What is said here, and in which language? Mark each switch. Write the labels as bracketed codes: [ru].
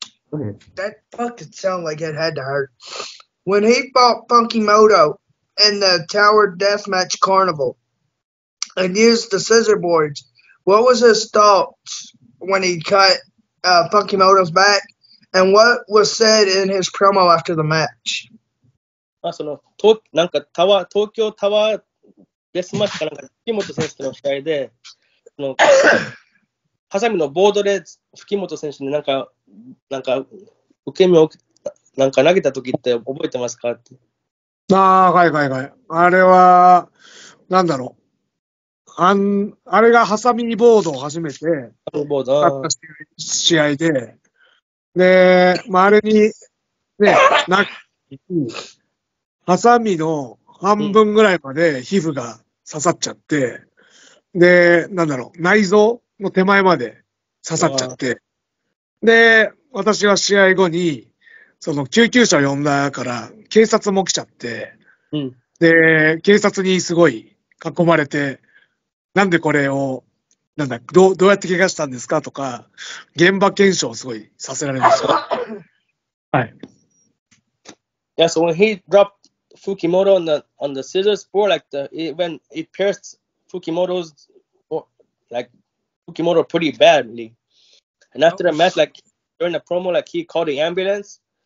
[en] That fucking sound like it had to hurt. When he fought Fukimoto in the Tower Deathmatch Carnival and used the scissor boards, what was his thoughts when he cut... Fukimoto's back, and what was said in his promo after the match? [ja] その東なんかタワー東京タワーデスマッチかなんか吹本選手との試合で、そのハサミのボードで吹本選手になんか受け身をなんか投げた時って覚えてますかって。ああはいはいはい。あれはなんだろう。あれがハサミにボードを初めて買った試合で、で、まあ、あれにね、ハサミの半分ぐらいまで皮膚が刺さっちゃって、で、なんだろう、内臓の手前まで刺さっちゃって、で、私は試合後に、その救急車を呼んだから、警察も来ちゃって、で、警察にすごい囲まれて、なんでこれをなんだどうやって怪我したんですかとか現場検証をすごいさせられました。はい。 [en] Yeah, so when he dropped Fukimoto on the scissors board, like when it pierced Fukimoto's Fukimoto pretty badly. And after the match, like during the promo, like he called the ambulance.